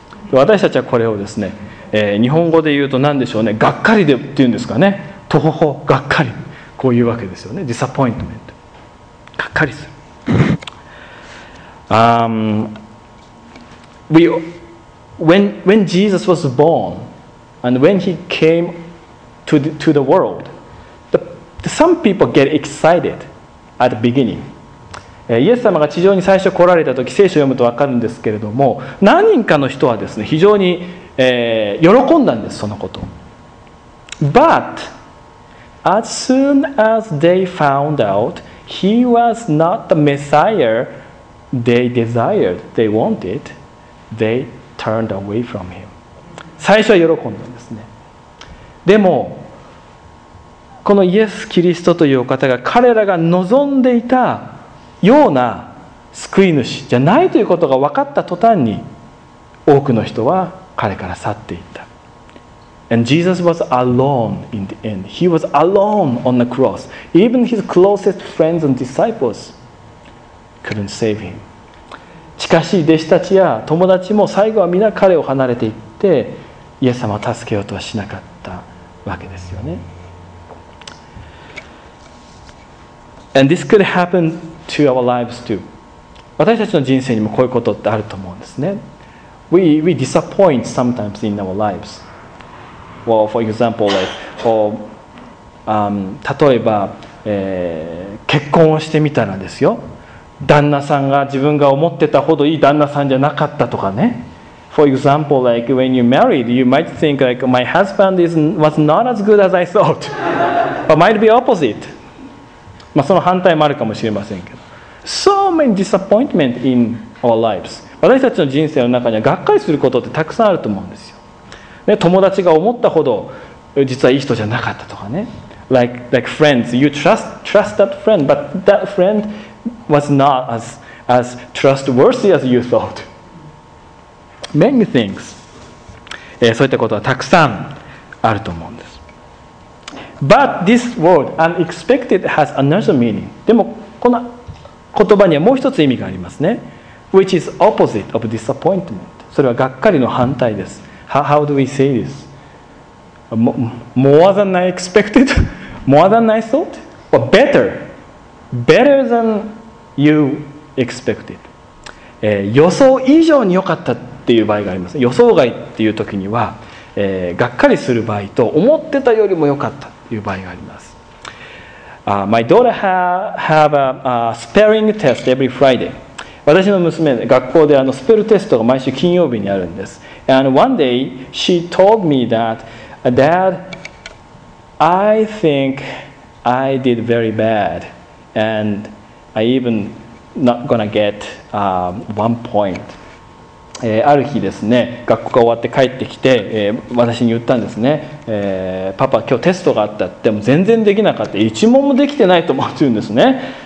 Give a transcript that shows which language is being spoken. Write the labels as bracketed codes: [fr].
[ja] 私たちはこれをですね、日本語で言うと何でしょうね、がっかりでっていうんですかね、とほほ、がっかり、こういうわけですよね、 disappointment、 がっかりする [en] when Jesus was born and when he came to the worldSome people get excited at the beginning. [ja] イエス様が地上に最初来られたとき、聖書を読むと分かるんですけれども、何人かの人はですね、非常に、喜んだんです、そのこと。 [en] But as soon as they found out he was not the Messiah they desired, they wanted, they turned away from him. [ja] 最初は喜んだんですね。でも、このイエス・キリストというお方が彼らが望んでいたような救い主じゃないということが分かった途端に多くの人は彼から去っていった。 [en] And Jesus was alone in the end. He was alone on the cross. Even his closest friends and disciples couldn't save him. [ja] しかし弟子たちや友達も最後は皆彼を離れていってイエス様を助けようとはしなかったわけですよね。 [en] And this could happen to our lives too. [ja] 私たちの人生にもこういうことってあると思うんですね。 [en] We disappoint sometimes in our lives. Well, for example, like, or, [ja] 例えば、結婚をしてみたらですよ。旦那さんが自分が思ってたほどいい旦那さんじゃなかったとかね。 [en] For example, like when you married, you might think like my husband was not as good as I thought. But might be opposite. [ja] まあ、その反対もあるかもしれませんけど、 [en] So many disappointment in our lives. [ja] 私たちの人生の中にはがっかりすることってたくさんあると思うんですよ、ね、友達が思ったほど実はいい人じゃなかったとかね、 [en] like friends, you trust that friend, but that friend was not as trustworthy as you thought. Many things、 [ja] そういったことはたくさんあると思うんです。 [en] But this word unexpected has another meaning. [ja] でもこの言葉にはもう一つ意味がありますね。 [en] Which is opposite of disappointment. [ja] それはがっかりの反対です。 [en] How do we say this? More than I expected? More than I thought? Or better? Better than you expected. [ja] 予想以上に良かったっていう場合があります。予想外っていう時には、がっかりする場合と思ってたよりも良かった。 [en] My daughter have a spelling test every Friday. [ja] 私の娘、学校であのスペルテストが毎週金曜日にあるんです。 [en] And one day she told me that, Dad, I think I did very bad, and I even not gonna get one point. [ja] ある日ですね、学校が終わって帰ってきて、私に言ったんですね、パパ今日テストがあったって、も全然できなかった、一問もできてないと思ってるんです ね。